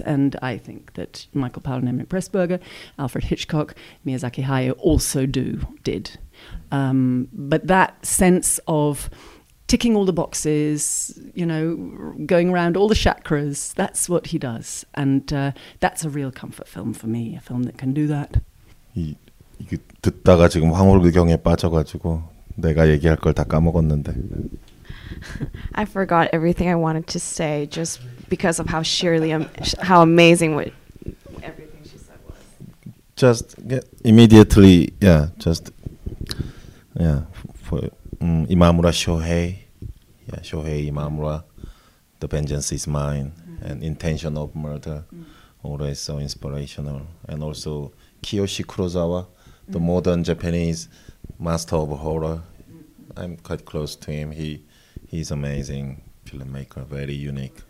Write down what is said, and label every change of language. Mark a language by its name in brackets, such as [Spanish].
[English] And I think that Michael Powell and Emmerich Pressburger, Alfred Hitchcock, Miyazaki Hayao also did. But that sense of ticking all the boxes, you know, going around all the chakras, that's what he does. And that's a real comfort film for me, a film that can do that. Yeah. [Korean] 이게 듣다가 지금 황홀구경에 빠져가지고 내가 얘기할 걸 다 까먹었는데. [English] I forgot everything I wanted to say just because of how sheerly how amazing what everything she said was. Just immediately, yeah. Just yeah. For 이마무라 쇼헤이, yeah, 쇼헤이 이마무라. The vengeance is mine, and intention of murder, always so inspirational, and also Kiyoshi Kurosawa. The modern Japanese master of horror. I'm quite close to him. He's amazing filmmaker, very unique.